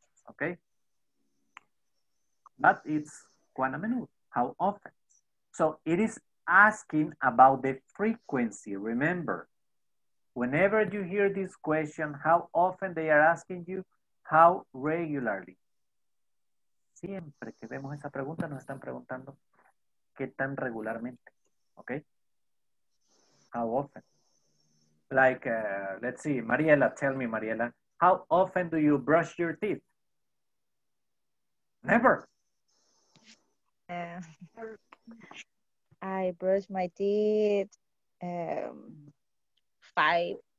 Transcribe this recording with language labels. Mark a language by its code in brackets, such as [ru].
[en] Okay? But it's [es] cuán a menudo. [en] How often? So it is asking about the frequency. Remember, whenever you hear this question, how often they are asking you, how regularly. [es] Siempre que vemos esa pregunta, nos están preguntando qué tan regularmente, okay? [en] How often? Like, let's see, Mariela, tell me, Mariela, how often do you brush your teeth? Never. I brush my teeth, five